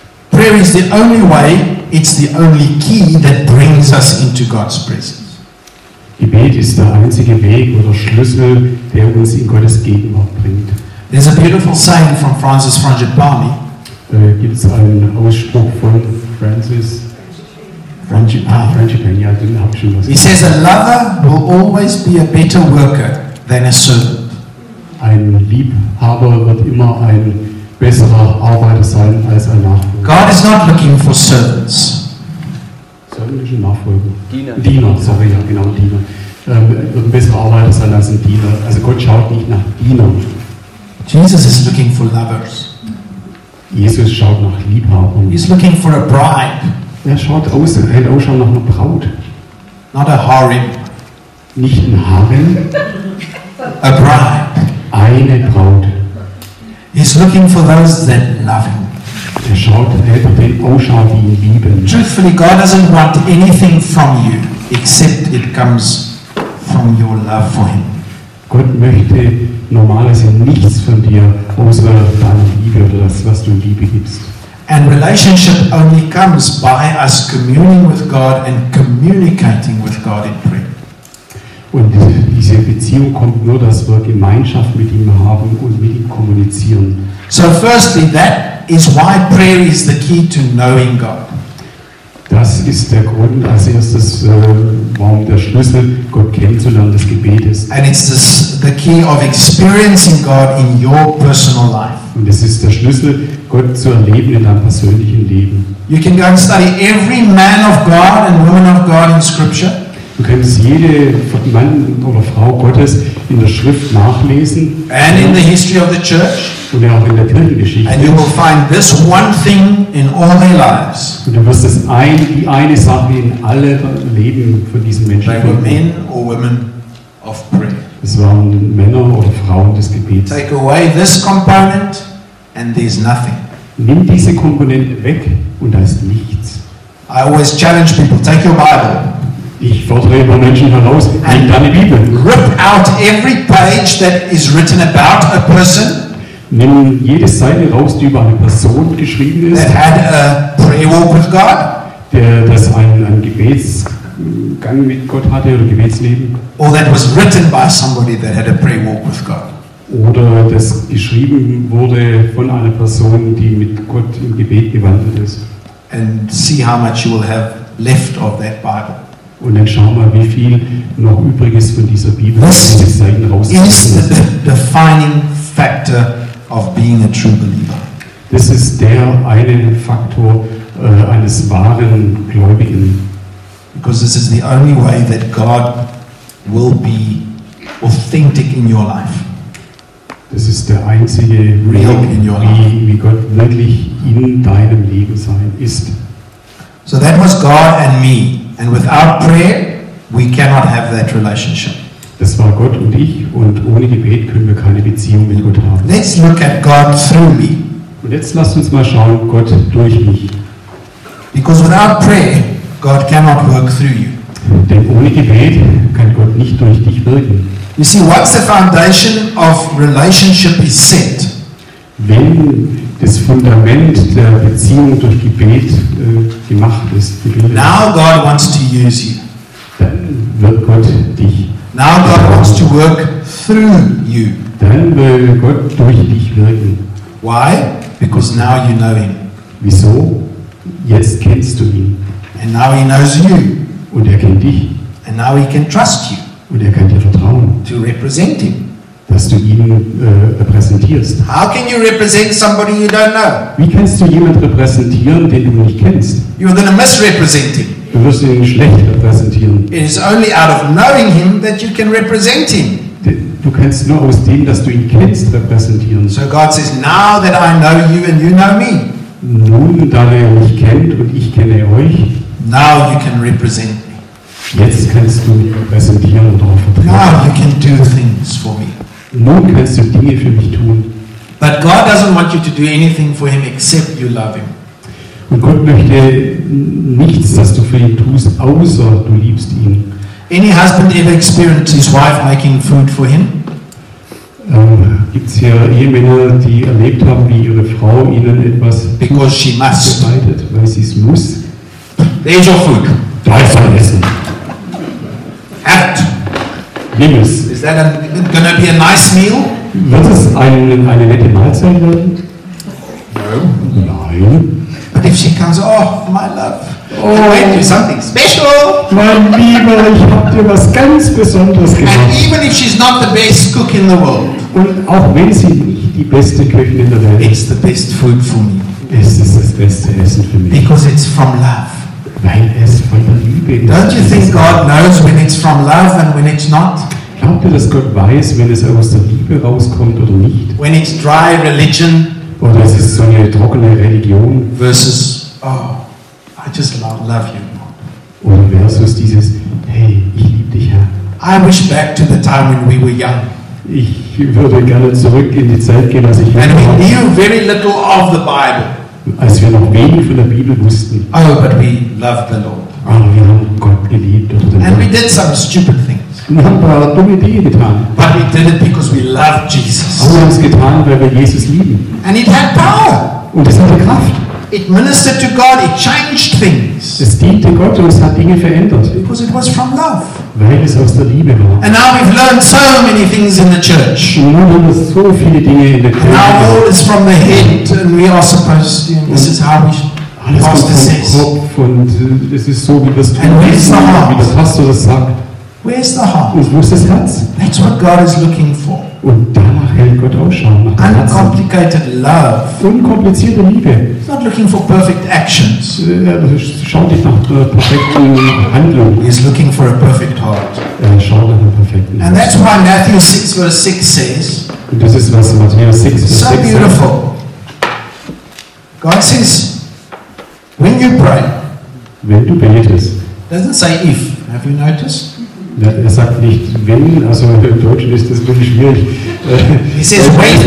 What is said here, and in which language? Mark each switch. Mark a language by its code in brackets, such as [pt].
[en] Prayer is the only way, it's the only key that brings us into God's presence. [de] Gebet ist der einzige Weg oder Schlüssel, der uns in Gottes Gegenwart bringt. [en] There's a beautiful saying from Francis Frangipani. [de] Da gibt's einen Ausspruch von Francis Frangipani. Ja, den hab ich schon was. [en] He says a lover will always be a better worker than a servant. [de] Ein Liebhaber wird immer ein besserer Arbeiter sein als ein Nachfolger. [en] God is not looking for servants. [de] Servantische Nachfolger. Diener. Diener, sorry, ja, genau, Diener. Wird ein besserer Arbeiter sein als ein Diener. Also Gott schaut nicht nach Dienern. [en] Jesus is looking for lovers. [de] Jesus schaut nach Liebhabern. [en] He's looking for a bride. [de] Er schaut aus, er hält Ausschau nach einer Braut. [en] Not a harem. [de] Nicht ein Harem. [en] A bride. [de] Eine Braut. [en] He's looking for those that love him. [de] Er schaut, er hält den Ausschau, die ihn lieben. [en] Truthfully, God doesn't want anything from you, except it comes from your love for him. [de] Gott möchte normalerweise nichts von dir, außer deiner Liebe oder das, was du Liebe gibst. [en] And relationship only comes by us communing with God and communicating with God in prayer. [de] Und diese Beziehung kommt nur, dass wir Gemeinschaft mit ihm haben und mit ihm kommunizieren. [en] So firstly, that is why prayer is the key to knowing God. [de] Das ist der Grund, als erstes, warum der Schlüssel, Gott kennenzulernen, das Gebet ist. [en] And it's the key of experiencing God in your personal life. [de] Und es ist der Schlüssel, Gott zu erleben in deinem persönlichen Leben. [en] You can go and study every man of God and woman of God in Scripture. [de] Du kannst jede Mann oder Frau Gottes in der Schrift nachlesen. [en] And in the history of the church. [de] Und auch in der Kirchengeschichte. [en] And you will find this one thing in all their lives. [de] Und du wirst das ein, die eine Sache in alle Leben von diesen Menschen finden. [en] They were men or women of prayer. [de] Es waren Männer oder Frauen des Gebets. [en] Take away this component and there's nothing. [de] Nimm diese Komponente weg und da ist nichts. [en] I always challenge people, take your Bible. [de] Ich fordere immer Menschen heraus, nimm deine Bibel. [en] Rip out every page that is written about a person. [de] Nimm jede Seite raus, die über eine Person geschrieben ist. [en] That had a prayer walk with God. [de] Der das ein Gebetsgang mit Gott hatte oder Gebetsleben. [en] Or that was written by somebody that had a prayer walk with God. [de] Oder das geschrieben wurde von einer Person, die mit Gott im Gebet gewandelt ist. [en] And see how much you will have left of that Bible. [de] Und dann schau mal, wie viel noch übrig ist von dieser Bibel, das von den Seiten rausgekommen ist. [en] This is the defining factor of being a true believer. [de] Das ist der eine Faktor eines wahren Gläubigen. [en] Because this is the only way that God will be authentic in your life. [de] Das ist der einzige Weg, wie Gott wirklich in deinem Leben sein ist. [en] So that was God and me. And without prayer, we cannot have that relationship. [de] Das war Gott und ich, und ohne Gebet können wir keine Beziehung mit Gott haben. [en] Let's look at God through me. [de] Und jetzt lasst uns mal schauen, Gott durch mich. [en] Because without prayer, God cannot work through you. [de] Denn ohne Gebet kann Gott nicht durch dich wirken. [en] You see, once the foundation of relationship is set, [de] wenn das Fundament der Beziehung durch Gebet gemacht ist, gebildet, [en] now God wants to use you. [de] Dann wird Gott dich. [en] Now God wants to work through you. [de] Dann will Gott durch dich wirken. [en] Why? Because now you know him. [de] Wieso? Jetzt kennst du ihn. [en] And now he knows you. [de] Und er kennt dich. [en] And now he can trust you. [de] Und er kann dir vertrauen. [en] To represent him. [de] Dass du ihn repräsentierst. [en] How can you represent somebody you don't know? [de] Wie kannst du jemanden repräsentieren, den du nicht kennst? [en] You're gonna misrepresent him. [de] Du wirst ihn schlecht repräsentieren. [en] It is only out of knowing him that you can represent him. [de] Du kannst nur aus dem, dass du ihn kennst, repräsentieren. [en] So God says, now that I know you and you know me. [de] Nun, da er mich kennt und ich kenne euch. [en] Now you can represent me. [de] Jetzt kannst du mich repräsentieren und darauf vertrauen. [en] Now you can do things for me. [de] Nun kannst du Dinge für mich tun. [en] But God doesn't want you to do anything for him except you love him. [de] Und Gott möchte nichts, dass du für ihn tust, außer du liebst ihn. [en] Any husband ever experienced his wife making food for him? [de] Gibt es ja Ehemänner, die erlebt haben, wie ihre Frau ihnen etwas bereitet, weil sie es muss. [en] There is your food. [de] Da ist mein Essen. Habt. Nimm es. [en] Is that gonna be a nice meal? [de] Wird es eine nette Mahlzeit werden? [en] No. [de] Nein. [en] But if she comes, oh, my love. Oh, I made you something special. [de] Mein Lieber, ich habe dir was ganz Besonderes gemacht. [en] And even if she's not the best cook in the world. [de] Und auch wenn sie nicht die beste Köchin in der Welt ist, [en] it's the best food for me. [de] Es ist das beste Essen für mich. [en] Because it's from love. [de] Weil es von der Liebe ist. [en] Don't you think God knows when it's from love and when it's not? [de] Glaubt ihr, dass Gott weiß, wenn es aus der Liebe rauskommt oder nicht? [en] When it's dry religion. [de] Oder es ist so eine trockene Religion. [en] Versus, oh, I just love you more. [de] Oder versus dieses, hey, ich liebe dich, Herr. [en] I wish back to the time when we were young. [de] Ich würde gerne zurück in die Zeit gehen, als ich jung war. [en] And we knew very little of the Bible. [de] Als wir noch wenig von der Bibel wussten. [en] Oh, but we loved the Lord. [de] Aber wir haben Gott geliebt. [en] And Lord. We did some stupid things. [de] Wir haben ein paar dumme Dinge getan. [en] But we did it because we loved Jesus. [de] Aber wir haben es getan, weil wir Jesus lieben. [en] And it had power. [de] Und es hatte Kraft. [en] It ministered to God, it changed things. [de] Es diente Gott und es hat Dinge verändert. [en] Because it was from love. [de] Weil es aus der Liebe war. [en] And now we've learned so many things in the church. [de] Und nun haben wir so viele Dinge in der Kirche. [en] And now all is from the head and we are supposed to, this is how we [de] alles kommt vom Kopf und es ist so, wie das tun ist, wie der Pastor das sagt. [en] Where's the heart? [de] Und wo ist das Herz? [en] That's what God is looking for. [de] Und danach hält Gott Ausschau nach dem Herzen. [en] Uncomplicated love. [de] Unkomplizierte Liebe. [en] He's not looking for perfect actions. [de] Er schaut nicht nach perfekten Handlungen. [en] He's looking for a perfect heart. [de] Er schaut nach einem perfekten Herzen. [en] And that's why Matthew 6 verse 6 says. [de] Und das ist, was Matthäus 6 verse 6 sagt. [en] So beautiful. God says, when you pray. [de] Wenn du betest. [en] Doesn't say if. Have you noticed? [de] Er sagt nicht wenn, also im Deutschen ist das wirklich schwierig. [en] He says, wait,